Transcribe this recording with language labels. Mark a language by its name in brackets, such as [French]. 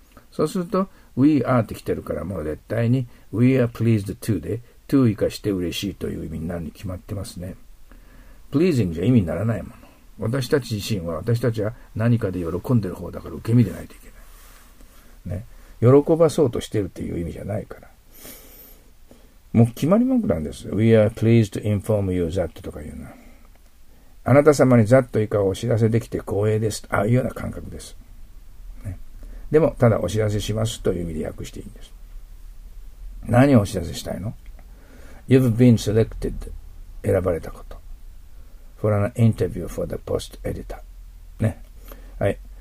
[Japanese] そうすると、We are って来てるからもう絶対に [English] We are pleased to [Japanese] で、to 生かして嬉しいという意味になるに決まってますね。 Pleasing じゃ意味にならないもの。私たち自身は、私たちは何かで喜んでる方だから受け身でないといけない。ね。喜ばそうとしてるっていう意味じゃないから。もう決まり文句なんです。 [English] We are pleased to inform you that [Japanese] とかいうのは。あなた様に that 以下をお知らせできて光栄です。ああいうような感覚です。ね、でも、ただお知らせしますという意味で訳していいんです。何をお知らせしたいの ? [English] You've been selected [Japanese] 選ばれたこと。 [English] For an interview for the post editor. ね。はい。